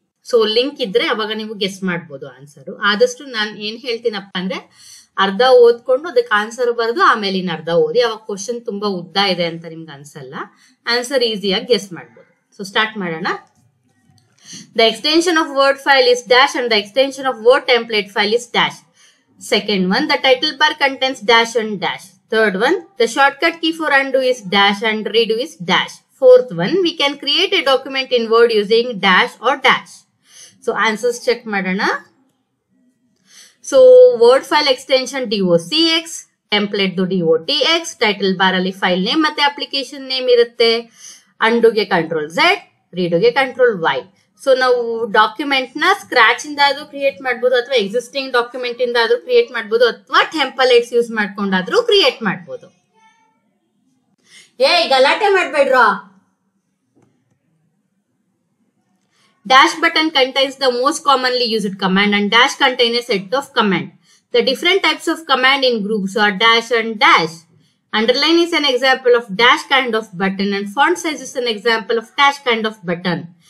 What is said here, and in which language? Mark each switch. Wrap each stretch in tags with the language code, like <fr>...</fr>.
<kn>So link ಇದ್ರೆ ಅವಾಗ ನೀವು ಗೆಸ್ ಮಾಡ್ಬೋದು ಆನ್ಸರ್. ಆದಷ್ಟು ನಾನು ಏನ್ ಹೇಳ್ತೀನಪ್ಪ ಅಂದ್ರೆ ಅರ್ಧ ಓದ್ಕೊಂಡು ಅದಕ್ಕೆ ಆನ್ಸರ್ ಬರೆದು ಆಮೇಲೆ ಇನ್ನು ಅರ್ಧ ಓದಿ. ಅವಾಗ ಕ್ವಶನ್ ತುಂಬಾ ಉದ್ದ ಇದೆ ಅಂತ ನಿಮ್ಗೆ ಅನ್ಸಲ್ಲ, ಆನ್ಸರ್ ಈಸಿಯಾಗಿ ಗೆಸ್ ಮಾಡ್ಬೋದು. ಸೊ ಸ್ಟಾರ್ಟ್ ಮಾಡೋಣ.</kn> <en>The extension of Word file is dash, and the extension of Word template file is dash. Second one, the title bar contains dash and dash. Third one, the shortcut key for undo is dash and redo is dash. Fourth one, we can create a document in Word using dash or dash. So answers check madana. So Word file extension docx, template do dotx, title bar ali file name mate application name irutte, undo ge control z, redo ge control y.</en> <kn>So ನಾವು document ನ scratch ಇಂದ ಆದ್ರೂ create ಮಾಡಬಹುದು, ಅಥವಾ existing document ಇಂದ ಆದ್ರೂ create ಮಾಡಬಹುದು, ಅಥವಾ ಟೆಂಪಲೇಟ್ಸ್ ಯೂಸ್ ಮಾಡ್ಕೊಂಡಾದ್ರೂ ಕ್ರಿಯೇಟ್ ಮಾಡಬಹುದು. ಏ ಗಲಾಟೆ ಮಾಡ್ಬೇಡ್ರ.</kn> <en>Dash button contains the most commonly used command, and dash contain a set of command. The the different types of command in groups are dash and dash. Underline is an example of dash kind of button and font size is an example of dash kind of button.</en>